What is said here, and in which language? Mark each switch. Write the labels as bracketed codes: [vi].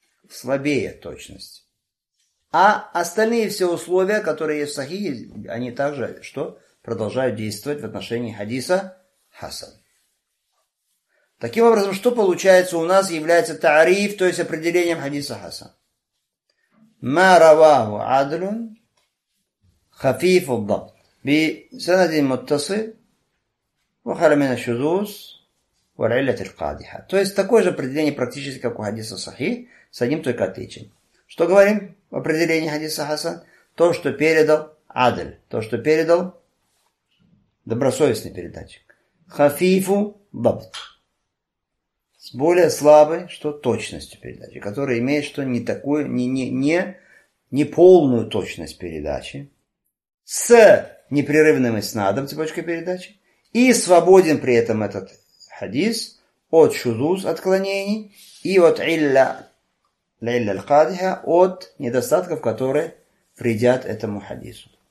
[ru] Слабее точность. А остальные все условия, которые есть в сахихе, они также что? Продолжают действовать в отношении хадиса хасан. Таким образом, что получается у нас является таариф, то есть определением хадиса хасан. [ar] ما رواه عدل خفيف الضبط بسند متصل وخال من الشذوذ والعلة القادحة. [ru] То есть такое же определение практически как у хадиса сахих, с одним только отличием. Что говорим в определении хадиса хасан? То, что передал Адель, то, что передал, добросовестный передатчик. Хафифу бабт, с более слабой, что точностью передачи, которая имеет что не такую, не полную точность передачи, с непрерывным иснадом цепочкой передачи, и свободен при этом этот хадис от шузуз, отклонений, и от илля, лилля л-кадиха, от недостатков, которые вредят этому хадису.